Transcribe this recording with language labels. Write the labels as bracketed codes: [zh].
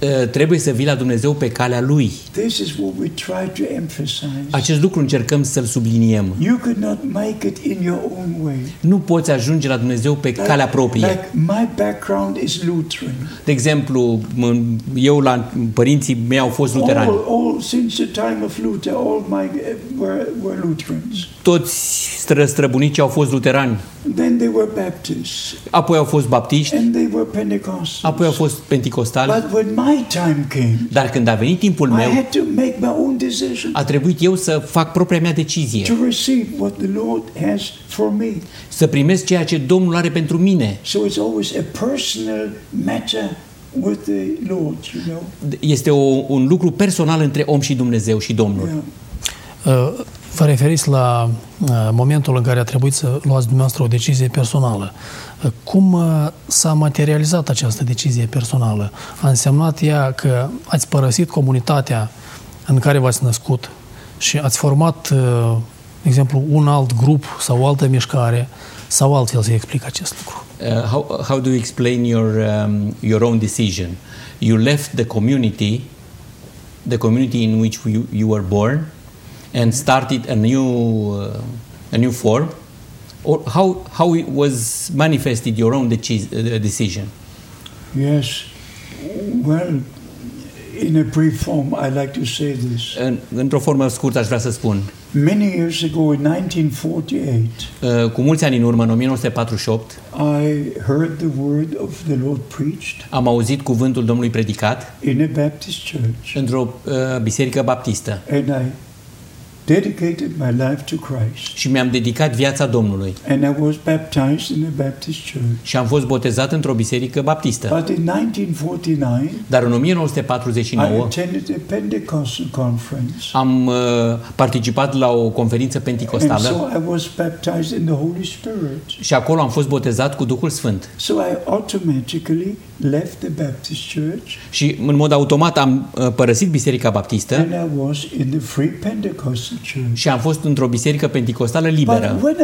[ro] Trebuie să vii la Dumnezeu pe calea Lui. [en] This is what we try to emphasize. [ro] Acest lucru încercăm să-l subliniem. [en] You could not make it in your own way. [ro] Nu poți ajunge la Dumnezeu pe calea proprie. [en] Like my background is Lutheran. [ro] De exemplu, eu la părinții mei au fost luterani. [en] All since the time of Luther, all my were Lutherans. [ro] Toți străbunicii au fost luterani. [en] Then they were Baptists. [ro] Apoi au fost baptiști. [en] And they were Pentecostals. [ro] Apoi au fost pentecostali. [en] But when my time came. [ro] Dar când a venit timpul meu, [en] I had to make my own decision. [ro] A trebuit eu să fac propria mea decizie. [en] To receive what the Lord has for me. [ro] Să primesc ceea ce Domnul are pentru mine. [en] So it's always a personal matter with the Lord, you know. [ro] Este un lucru personal între om și Dumnezeu și Domnul. [en] Yeah. [ro] Vă referiți la momentul în care a trebuit să luați dumneavoastră o decizie personală. Cum s-a materializat această decizie personală? A însemnat ea că ați părăsit comunitatea în care v-ați născut și ați format, de exemplu, un alt grup sau o altă mișcare sau altfel să explic acest lucru? [en] How do you explain your own decision? You left the community in which you were born, and started a new form, or how it was manifested your own decision? Yes. Well, in a brief form, I'd like to say this. [ro] Într-o formă scurtă aș vrea să spun. [en] Many years ago, in 1948, [ro] cu mulți ani în urmă, în 1948, [en] I heard the word of the Lord preached. [ro] Am auzit cuvântul Domnului predicat. [en] In a Baptist church. [ro] Într-o biserică baptistă. [en] And I dedicated my life to Christ. [ro] Și mi-am dedicat viața Domnului. [en] And I was baptized in a Baptist church. [ro] Și am fost botezat într-o biserică baptistă. [en] But in 1949, [ro] dar în 1949, [en] I attended a Pentecostal conference. [ro] Am participat la o conferință penticostală. [en] And so I was baptized in the Holy Spirit. [ro] Și acolo am fost botezat cu Duhul Sfânt. [en] So I automatically left the Baptist church. [ro] Și în mod automat am părăsit biserica baptistă. [en] And I was in the free Pentecostal. [ro] Și am fost într-o biserică penticostală liberă.